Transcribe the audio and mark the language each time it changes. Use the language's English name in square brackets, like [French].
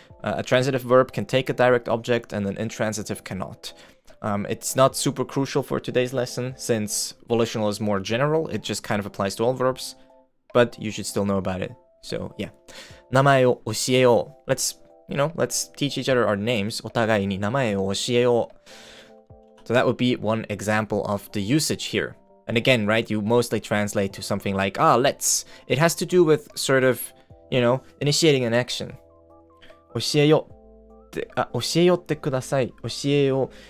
[English] A transitive verb can take a direct object and an intransitive cannot. It's not super crucial for today's lesson since volitional is more general. It just kind of applies to all verbs. But you should still know about it. So, yeah. [Japanese] 名前を教えよう. [English] Let's, you know, let's teach each other our names. [Japanese] お互いに名前を教えよう. [English] So that would be one example of the usage here. And again, right, you mostly translate to something like, ah, let's. It has to do with sort of, you know, initiating an action. [Japanese] 教えよう。教えよってください。教えよう.